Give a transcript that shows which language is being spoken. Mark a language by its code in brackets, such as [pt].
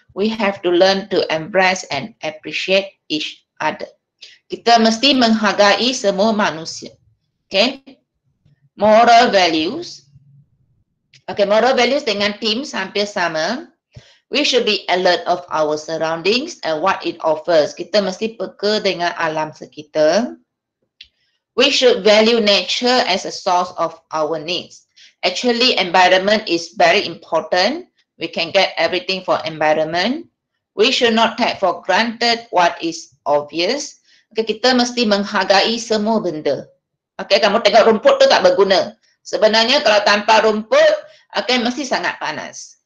[en] We have to learn to embrace and appreciate each other. [ms] Kita mesti menghargai semua manusia. [en] Okay, moral values. Okay, moral values [ms] dengan themes hampir sama. [en] We should be alert of our surroundings and what it offers. [ms] Kita mesti peka dengan alam sekitar. [en] We should value nature as a source of our needs. Actually, environment is very important. We can get everything for environment. We should not take for granted what is obvious. [ms] Okay, kita mesti menghargai semua benda. Okay, kamu tengok rumput tu tak berguna. Sebenarnya kalau tanpa rumput, okay, mesti sangat panas.